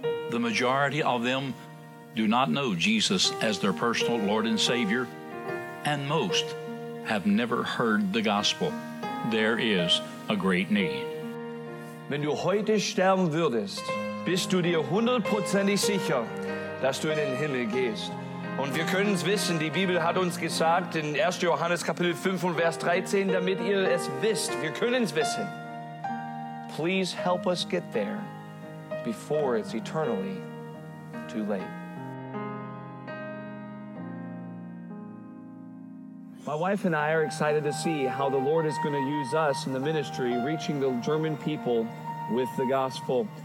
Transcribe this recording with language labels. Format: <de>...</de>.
<en>The majority of them do not know Jesus as their personal Lord and Savior, and most have never heard the gospel. There is a great need.</en> <de>Wenn du heute sterben würdest, bist du dir hundertprozentig sicher, dass du in den Himmel gehst. Und wir können es wissen, die Bibel hat uns gesagt in 1. Johannes Kapitel 5 und Vers 13, damit ihr es wisst, wir können es wissen.</de> <en>Please help us get there before it's eternally too late. My wife and I are excited to see how the Lord is going to use us in the ministry, reaching the German people with the gospel.</en>